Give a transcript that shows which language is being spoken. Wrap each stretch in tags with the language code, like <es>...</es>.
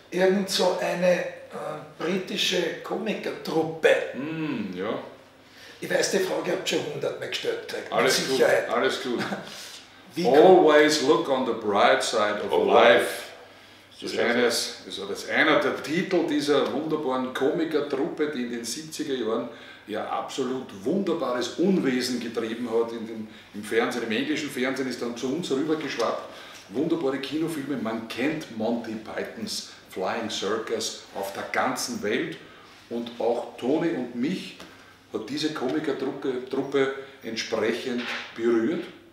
<de>Irgend so eine britische Komikertruppe. Ja. Ich weiß, die Frage habt ihr schon 100 Mal gestellt. Alles gut, alles gut.</de> <en>Always look on the bright side of life.</en> <de>Das ist einer der Titel dieser wunderbaren Komikertruppe, die in den 70er Jahren ja absolut wunderbares Unwesen getrieben hat im Fernsehen, im englischen Fernsehen, ist dann zu uns rübergeschwappt. Wunderbare Kinofilme, man kennt Monty Pythons Flying Circus auf der ganzen Welt und auch Toni und mich hat diese Komikertruppe entsprechend berührt.</de>